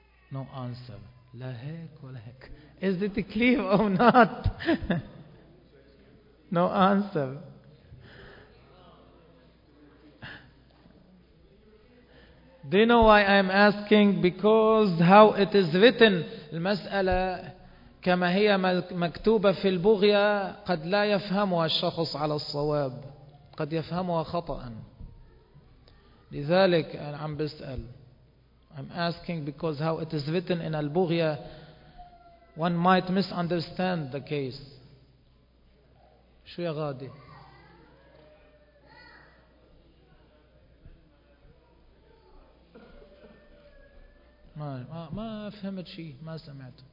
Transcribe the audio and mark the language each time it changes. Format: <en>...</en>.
<en>No answer.</en> <ar>لا هيك ولا هيك.</ar> <en>Is it clear or not? No answer. Do you know why I'm asking? Because how it is written.</en> <ar>المسألة كما هي مكتوبة في البغية قد لا يفهمها الشخص على الصواب. قد يفهمها خطأ. لذلك عم بسأل.</ar> <en>I'm asking because how it is written in Al-Bughya, one might misunderstand the case.</en> <ar>شو يا غادي؟ ما فهمت شيء، ما سمعت.</ar>